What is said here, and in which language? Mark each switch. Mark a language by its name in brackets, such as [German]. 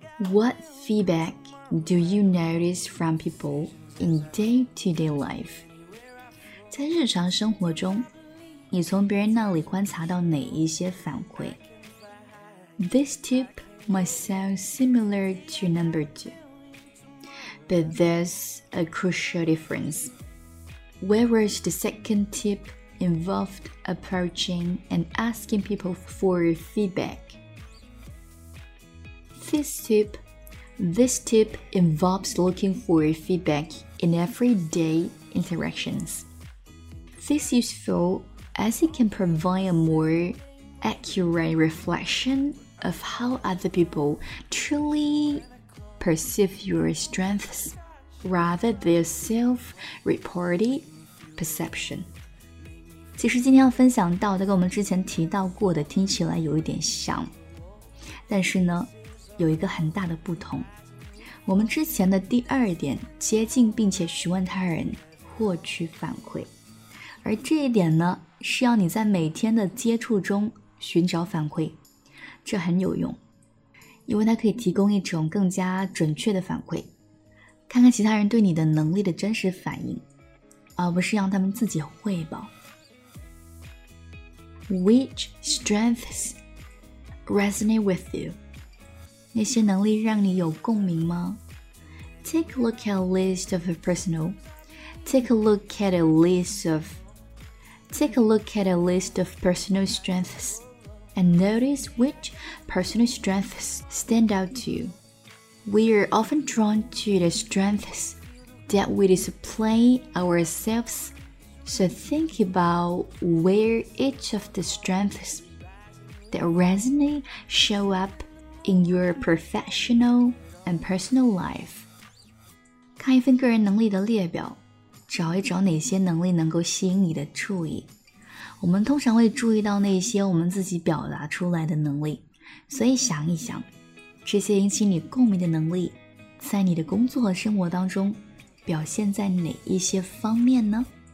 [English] What feedback do you notice from people in day-to-day life? [Chinese] 在日常生活中，你从别人那里观察到哪一些反馈？ [English] This tip might sound similar to number two, but there's a crucial difference. Whereas the second tip involved approaching and asking people for feedback,This tip involves looking for feedback in everyday interactions. This is useful as it can provide a more accurate reflection of how other people truly perceive your strengths rather than self-reported perception. [Chinese] 其实今天要分享到的跟我们之前提到过的听起来有一点像，但是呢有一个很大的不同。我们之前的第二点，接近并且询问他人，获取反馈。而这一点呢，是要你在每天的接触中寻找反馈。这很有用，因为它可以提供一种更加准确的反馈。看看其他人对你的能力的真实反应，而不是让他们自己汇报。 [English] Which strengths resonate with you? [Chinese] 那些能力让你有共鸣吗？ [English] Take a look at a list of personal. Take a look at a list of personal strengths and notice which personal strengths stand out to you. We are often drawn to the strengths that we display ourselves. So think about where each of the strengths that resonate show up. In your professional and personal life. [Chinese] 看一份个人能力的列表，找一找哪些能力能够吸引你的注意。我们通常会注意到那些我们自己表达出来的能力，所以想一想，这些引起你共鸣的能力，在你的工作和生活当中，表现在哪一些方面呢？